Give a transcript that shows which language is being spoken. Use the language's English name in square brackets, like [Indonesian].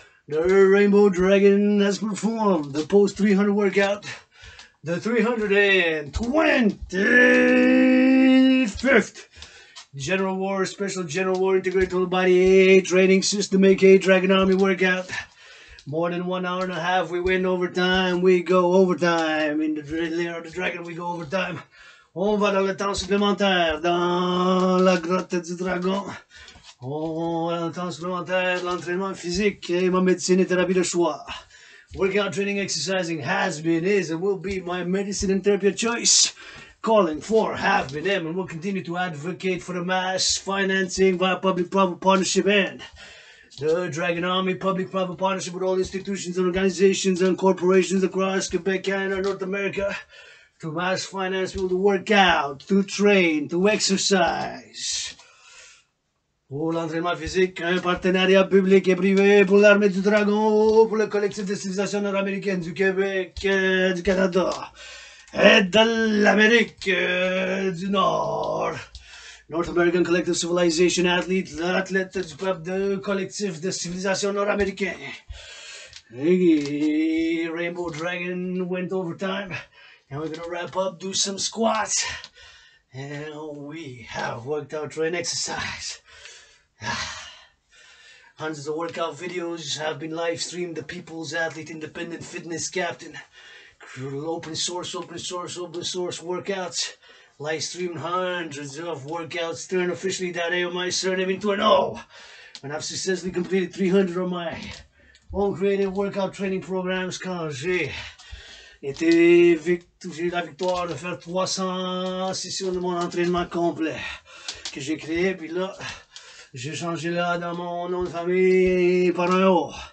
[English] The Rainbow Dragon has performed the post 300 workout, the 325th General War Special General War Integrated Total Body Training System, aka Dragon Army workout. More than 1 hour and a half, we win overtime, we go overtime. In the lair of the dragon, we go overtime. [French] On va dans le temps supplémentaire, dans la grotte du dragon. Oh, un temps supplémentaire, l'entraînement physique et ma médecine et thérapie de choix. [English] Working out, training, exercising has been, is, and will be my medicine and therapy of choice. Calling for, have been, am, and will continue to advocate for the mass financing via public-private partnership and the Dragon Army public-private partnership with all institutions and organizations and corporations across Quebec, Canada, North America. to mass finance people to work out, to train, to exercise. [French] Pour l'entraînement physique, un partenariat public et privé pour l'armée du dragon, pour le collectif de civilisation nord-américaine du Québec, du Canada et de l'Amérique du Nord. [English] North American Collective Civilization Athlete, [French] l'athlète du peuple de collectif de civilisation nord-américaine. [English] Et Rainbow Dragan went overtime. And we're gonna wrap up, do some squats. And we have worked out train exercise. Hundreds of workout videos have been live streamed. The People's Athlete Independent Fitness Captain. Open source workouts. Live streamed hundreds of workouts. Turn officially that A of my surname into an O. And I've successfully completed 300 of my own creative workout training programs. [French] Cause j'ai eu la victoire de faire 300 sessions de mon entraînement complet que j'ai créé, puis là, j'ai changé là dans mon nom de famille par un haut.